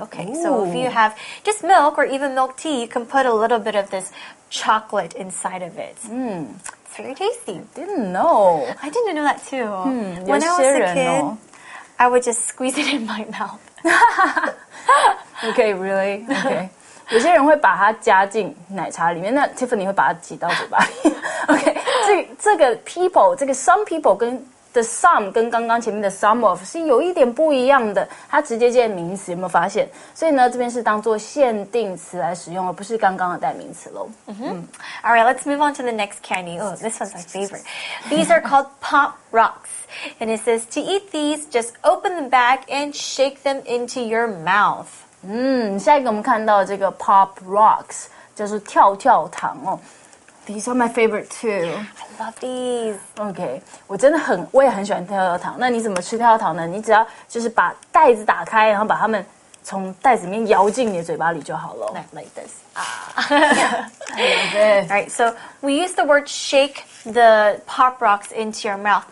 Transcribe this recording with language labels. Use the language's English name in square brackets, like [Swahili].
[English] Okay, so if you have just milk or even milk tea, you can put a little bit of this chocolate inside of it. Very tasty. I didn't know that too. When I was a kid, I would just squeeze it in my mouth. Okay, really? Okay. [Chinese] 有些人会把它加进奶茶里面，那 Tiffany 会把它挤到嘴巴里。 OK, 这个 people, 这个 some people 跟the some 跟刚刚前面的 some of 是有一点不一样的，它直接接名词，有没有发现？所以呢，这边是当做限定词来使用，而不是刚刚的代名词喽。 [English] All right, let's move on to the next candy. Oh, this one's my favorite. These are called Pop Rocks, and it says to eat these, just open the bag and shake them into your mouth. [Chinese] 下一个我们看到这个 Pop Rocks 就是跳跳糖哦。 [English] These are my favorite too. Yeah, I love these. [Chinese] Okay, 我真的很，我也很喜欢跳跳糖。那你怎么吃跳跳糖呢？你只要就是把袋子打开，然后把它们从袋子里面咬进你的嘴巴里就好了。 [English] Like this. Yeah, I love it. Right. So we use the word shake the pop rocks into your mouth.